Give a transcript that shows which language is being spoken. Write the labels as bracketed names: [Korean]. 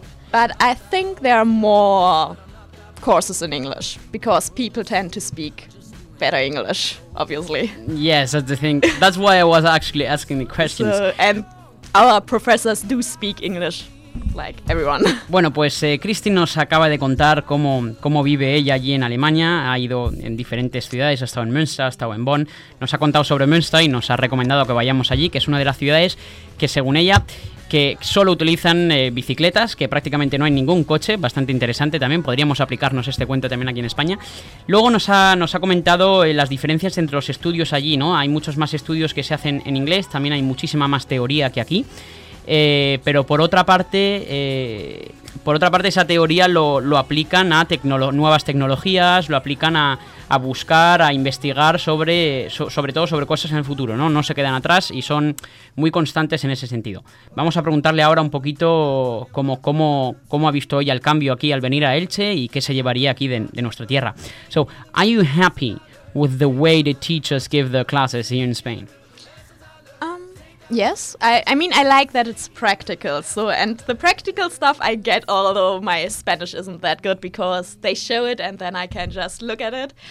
[English] But I think there are more courses in English because people tend to speak better English, obviously. Yes, that's the thing. That's why I was actually asking the questions. And our professors do speak English, like everyone. [Spanish] Bueno, pues Kristi nos acaba de contar cómo vive ella allí en Alemania. Ha ido en diferentes ciudades, ha estado en Münster, ha estado en Bonn. Nos ha contado sobre Münster y nos ha recomendado que vayamos allí, que es una de las ciudades que, según ella, que solo utilizan bicicletas, que prácticamente no hay ningún coche. Bastante interesante también. Podríamos aplicarnos este cuento también aquí en España. Luego nos ha comentado las diferencias entre los estudios allí, ¿no? Hay muchos más estudios que se hacen en inglés. También hay muchísima más teoría que aquí. Pero por otra parte esa teoría lo aplican a nuevas tecnologías, lo aplican a buscar, a investigar sobre todo sobre cosas en el futuro, ¿no? No se quedan atrás y son muy constantes en ese sentido. Vamos a preguntarle ahora un poquito cómo ha visto ella el cambio aquí al venir a Elche y qué se llevaría aquí de nuestra tierra. [English] So, are you happy with the way the teachers give their classes here in Spain? Yes, I mean, I like that it's practical. So, and the practical stuff I get, although my Spanish isn't that good, because they show it and then I can just look at it.